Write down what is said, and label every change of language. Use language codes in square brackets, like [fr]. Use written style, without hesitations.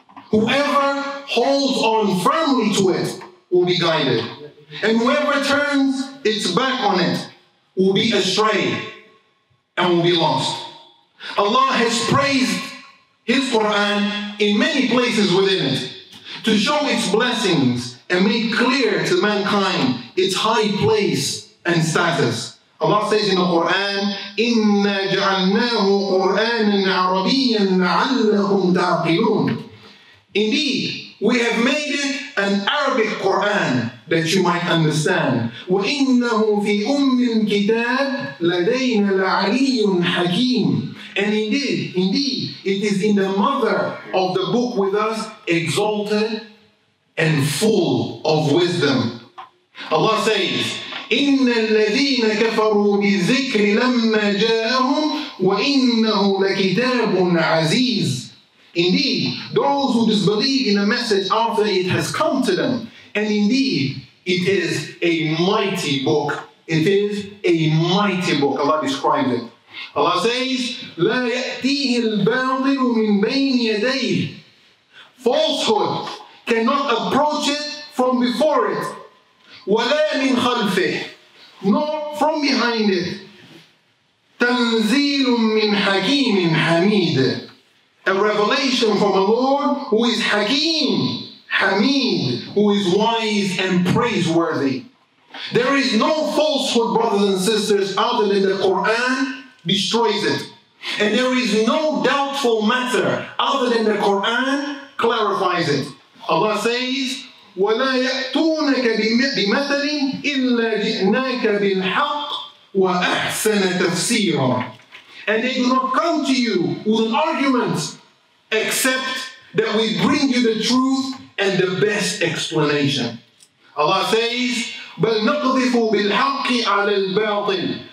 [en] Whoever holds on firmly to it will be guided, and whoever turns its back on it will be astray and will be lost. Allah has praised His Quran in many places within it to show its blessings and make clear to mankind its high place and status. Allah says in the Quran, [ar] إِنَّا جَعَلْنَاهُ قُرْآنًا عَرَبِيًّا لَعَلَّهُمْ تَعْقِلُونَ. [en] Indeed, we have made it an Arabic Quran that you might understand. [ar] وَإِنَّهُ فِي أُمِّ الْكِتَابِ لَدَيْنَا لَعَلِيٌّ حَكِيمٌ. [en] And indeed, it is in the mother of the book with us, exalted and full of wisdom. Allah says, [ar] إِنَّ الَّذِينَ كَفَرُوا بِالذِّكْرِ لَمَّا جَاءَهُمْ وَإِنَّهُ لَكِتَابٌ عَزِيزٌ. [en] Indeed, those who disbelieve in a message after it has come to them, and indeed, it is a mighty book. It is a mighty book, Allah describes it. Allah says, [ar] لَا يَأْتِيهِ الْبَاطِلُ مِنْ بَيْنِ يَدَيْهِ. [en] Falsehood cannot approach it from before it. [ar] وَلَا مِنْ خَلْفِهِ. [en] Nor from behind it. [ar] تَنْزِيلٌ مِنْ حَكِيمٍ حَمِيدٍ. [en] A revelation from a Lord who is Hakim, Hamid, who is wise and praiseworthy. There is no falsehood, brothers and sisters, other than the Quran destroys it. And there is no doubtful matter other than the Quran clarifies it. Allah says, [ar] وَلَا يَأْتُونَكَ بِمَثَلٍ إِلَّا جِئْنَاكَ بِالْحَقِّ وَأَحْسَنَ تَفْسِيرًا. [en] And they do not come to you with an argument except that we bring you the truth and the best explanation. Allah says, [ar] بَلْ نَقْذِفُ بِالْحَقِّ عَلَى الْبَاطِلِ.